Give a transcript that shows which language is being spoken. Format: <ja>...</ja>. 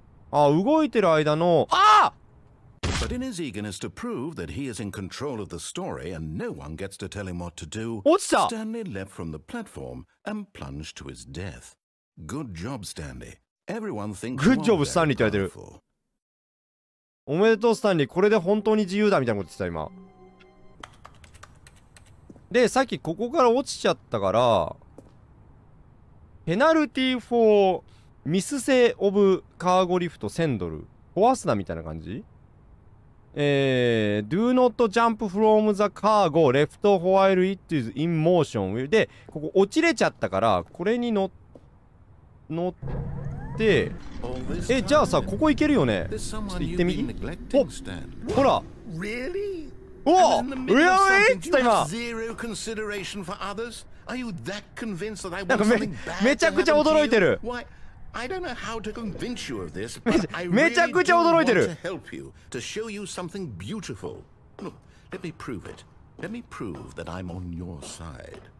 <ja>あ、動いてる間の、あ！</ja> <en>But in his eagerness to prove that he is in control of the story and no one gets to tell him what to do, Stanley leapt from the platform and plunged to his death. Good job, Stanley. Everyone thinks you are very powerful.</en> <ja>おめでとう、スタンリー。これで本当に自由だみたいなこと言ってた、今。で、さっきここから落ちちゃったから、</ja> <en>ペナルティーフォーミスセーオブカーゴリフト</en> <ja>1000ドル。壊すな、みたいな感じ？</ja> <en>Do not jump from the cargo left while it is in motion.</en> <ja>で、ここ落ちれちゃったから、これに乗って、え、じゃあさ、ここ行けるよね。ちょっと行ってみ。お、ほら。</ja> <en>Really?</en> <ja>おぉ !</ja> <en>Really?</en> <ja>って言った今。なんかめちゃくちゃ驚いてる。</ja> <en>I don't know how to convince you of this, but I really do want to help you, to show you something beautiful. Look, let me prove it. Let me prove that I'm on your side.</en>